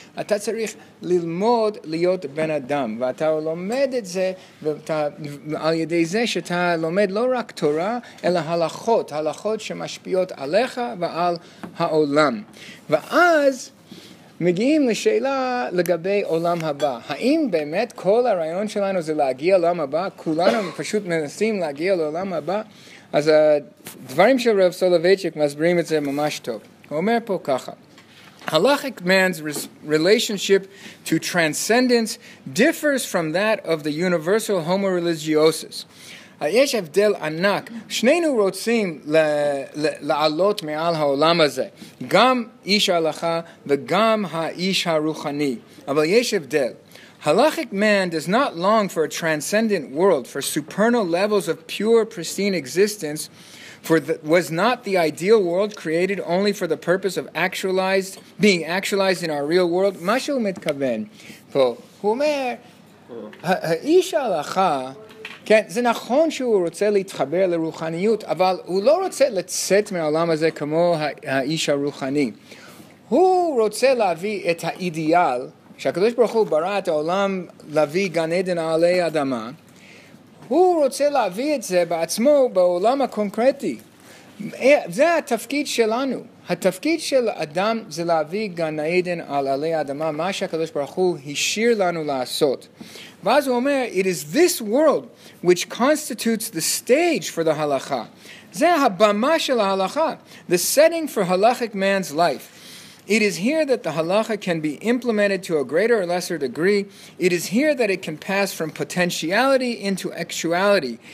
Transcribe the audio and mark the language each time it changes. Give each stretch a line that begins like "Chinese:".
Hebrew: אתה צריך ללמוד להיות בן אדם, ואתה לומד את זה, על ידי זה שאתה לומד לא רק תורה, אלא הלכות, הלכות שמשפיעות עליך ועל העולם. ואז מגיעים לשאלה לגבי עולם הבא. האם באמת כל הרעיון שלנו זה להגיע לעולם הבא? כולנו פשוט מנסים להגיע לעולם הבא? אז הדברים של רב סולובייצ'יק מסבירים את זה ממש טוב. הוא אומר פה ככה:
English: Halachic man's relationship to transcendence differs from that of the universal homo religiosus.
Hebrew: יש הבדל ענק. שנינו רוצים לעלות מעל העולם הזה. גם איש ההלכה וגם האיש הרוחני. אבל יש הבדל.
English: Halachic man does not long for a transcendent world, for supernal levels of pure, pristine existence, for was not the ideal world created only for the purpose of being actualized in our real world?
Hebrew: מה שהוא מתכוון פה? הוא אומר, האיש ההלכה, כן, זה נכון שהוא רוצה להתחבר לרוחניות, אבל הוא לא רוצה לצאת מהעולם הזה כמו האיש הרוחני. הוא רוצה להביא את האידיאל, שהקדוש ברוך הוא ברא את העולם להביא גן עדן עלי אדמה, הוא רוצה להביא את זה בעצמו בעולם הקונקרטי. זה התפקיד שלנו. התפקיד של אדם זה להביא גן עדן על עלי אדמה, מה שהקדוש ברוך הוא השאיר לנו לעשות. ואז הוא אומר,
English: it is this world which constitutes the stage for the halakha.
Hebrew: זה הבמה של ההלכה.
English: The setting for halachic man's life. It is here that the halakha can be implemented to a greater or lesser degree. It is here that it can pass from potentiality into actuality.